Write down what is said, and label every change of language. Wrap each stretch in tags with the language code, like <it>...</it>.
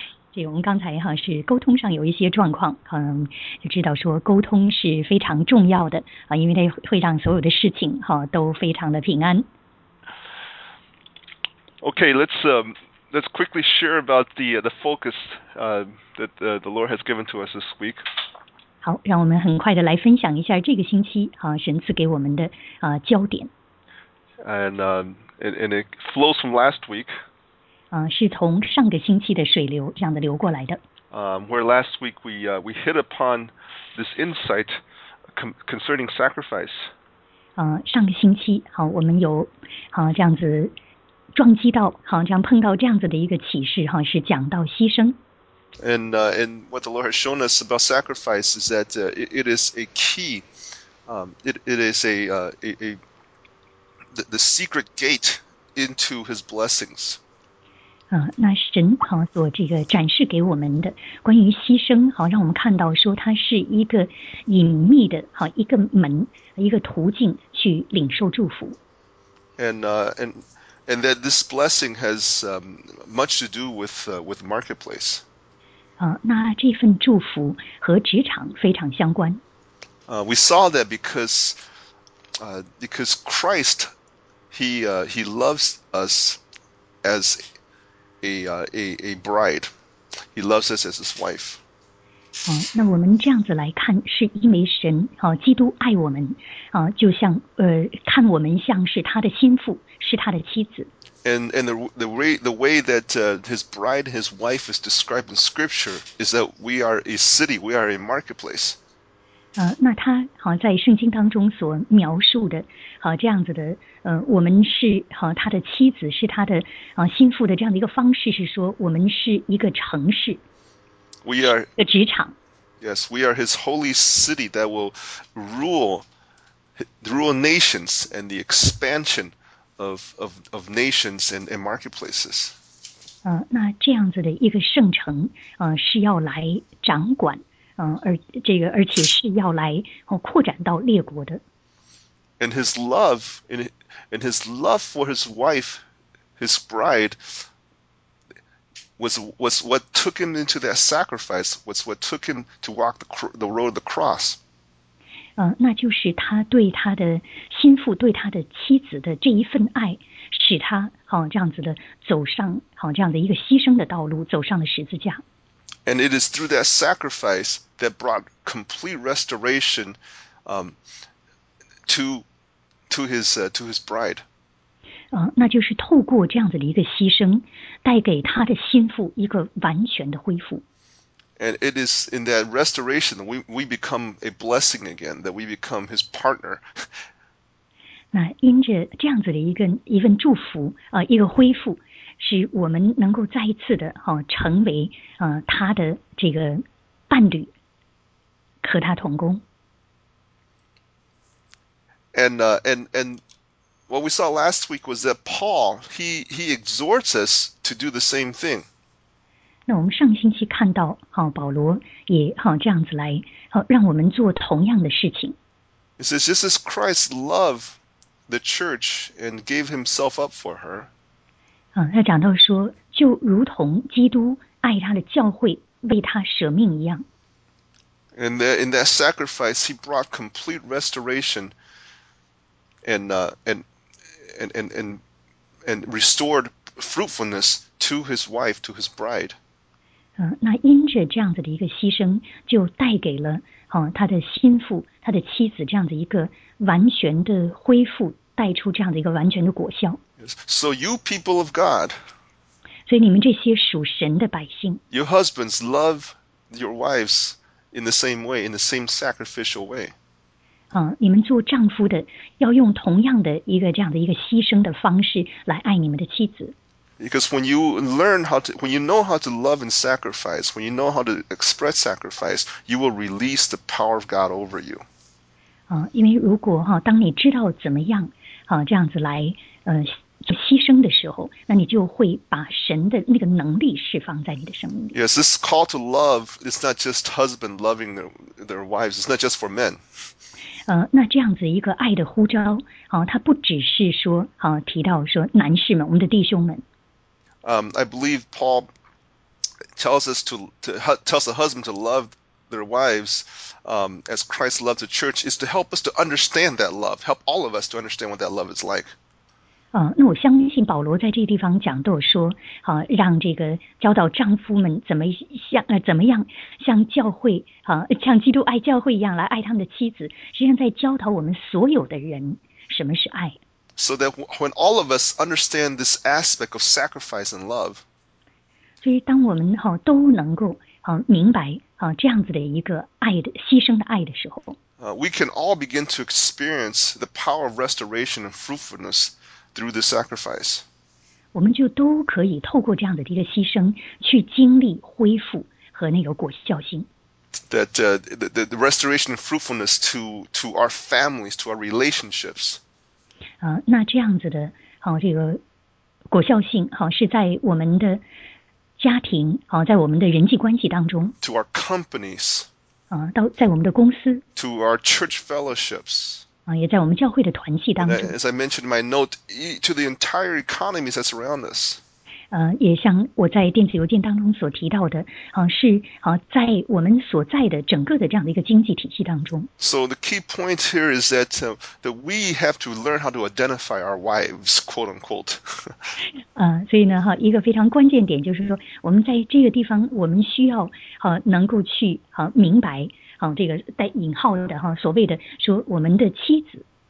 <zh>对，我们刚才是沟通上有一些状况，就知道说沟通是非常重要的，因为它会让所有的事情都非常的平安。</zh> <en>Okay, let's quickly share about the focus that the Lord has given to us this week.</en> <zh>好，让我们很快的来分享一下这个星期神赐给我们的焦点。</zh> <en>And it flows from last week.</en> <zh>是从上个星期的水流这样的流过来的。</zh> <en>Where last week we hit upon this insight concerning sacrifice.</en> <zh>上个星期我们有这样子撞击到这样碰到这样子的一个启示是讲到牺牲。</zh> <en>And what the Lord has shown us about sacrifice is that it is a key, it is the secret gate into His blessings.</en> <zh>那神所这个展示给我们的关于牺牲让我们看到说它是一个隐秘的一个门一个途径去领受祝福。</zh> <en>And that this blessing has much to do with marketplace.</en> <zh>那这份祝福和职场非常相关。</zh> <en>We saw that because Christ, he loves us as a bride. He loves us as his wife.</en> <zh>那我们这样子来看是因为神基督爱我们就像看我们像是他的心腹是他的妻子。</zh> <en>And the way that his bride and his wife is described in scripture is that we are a city, we are a marketplace.</en> <zh>那他在圣经当中所描述的这样子的我们是他的妻子是他的心腹的这样的一个方式是说我们是一个城市</zh> <en>we are,</en> <zh>一个职场</zh> <en>Yes, we are his holy city that will rule nations and the expansion of nations and marketplaces.</en> <zh>那这样子的一个圣城是要来掌管而且是要来扩展到列国的。</zh> <en>And his love, and his love for his wife, his bride, was what took him into that sacrifice. Was what took him to walk the road of the cross.</en> <zh>那就是他对他的心腹、对他的妻子的这一份爱，使他这样子的走上这样的一个牺牲的道路，走上了十字架。</zh> <en>And it is through that sacrifice that brought complete restoration, to his bride.</en> <zh>那就是透过这样子的一个牺牲，带给他的心腹一个完全的恢复。</zh> <en>And it is in that restoration that we become a blessing again, that we become his partner.</en> <zh>那因着这样子的一份祝福一个恢复。使我们能够再一次的成为他的这个伴侣和他同工。</zh> <en>And what we saw last week was that Paul, he exhorts us to do the same thing.</en> <zh>那我们上星期看到保罗也这样子来让我们做同样的事情。</zh> <en>He says, just as Christ loved the church and gave himself up for her,</en> <zh>他讲到说，就如同基督爱他的教会，为他舍命一样。</zh> <en>And that, in that sacrifice, he brought complete restoration and restored fruitfulness to his wife, to his bride.</en> <zh>那因着这样子的一个牺牲，就带给了他的心腹、他的妻子这样子一个完全的恢复，带出这样的一个完全的果效。</zh> <en>So you people of God,</en> <zh>所以你们这些属神的百姓</zh> <en>，Your husbands love your wives in the same way, in the same sacrificial way.</en> <zh>你们做丈夫的要用同样的一个这样的一个牺牲的方式来爱你们的妻子。</zh> <en>Because when you learn how to, when you know how to love and sacrifice, when you know how to express sacrifice, you will release the power of God over you.</en> <zh>因为如果哈，当你知道怎么样，这样子来，牺牲的时候，那你就会把神的那个能力释放在你的生命里。</zh> <en>Yes, this call to love is not just husband loving their wives. It's not just for men.</en> <zh>那这样子一个爱的呼召，它不只是说，提到说男士们，我们的弟兄们。</zh> <en>I believe Paul tells us tells the husband to love their wives, as Christ loved the church, is to help us to understand that love, help all of us to understand what that love is like.</en> <zh>那我相信保罗在这个地方讲都有说，让这个教导丈夫们怎么样像教会，像基督爱教会一样来爱他们的妻子，实际上在教导我们所有的人什么是爱。</zh> <en>So that when all of us understand this aspect of sacrifice and love,</en> <zh>所以当我们都能够明白这样子的一个爱的牺牲的爱的时候，</zh> <en>we can all begin to experience the power of restoration and fruitfulness through the sacrifice.</en> <zh>我们就都可以透过这样子的一个牺牲去经历恢复和那个果效性。</zh> <en>That the restoration and fruitfulness to our families, to our relationships.</en> <zh>那这样子的这个果效性是在我们的家庭在我们的人际关系当中</zh> <en>to our companies</en> <zh>在我们的公司</zh> <en>to our church fellowships</en> <zh>也在我们教会的团契当中</zh> <en>as I mentioned in my note to the entire economies that surround us</en> <zh>也像我在电子邮件当中所提到的是在我们所在的整个的这样的一个经济体系当中</zh> <en>So the key point here is that, that we have to learn how to identify our wives, quote unquote</en> <zh>所以呢一个非常关键点就是说我们在这个地方我们需要能够去明白这个带引号的所谓的说我们的妻子</zh>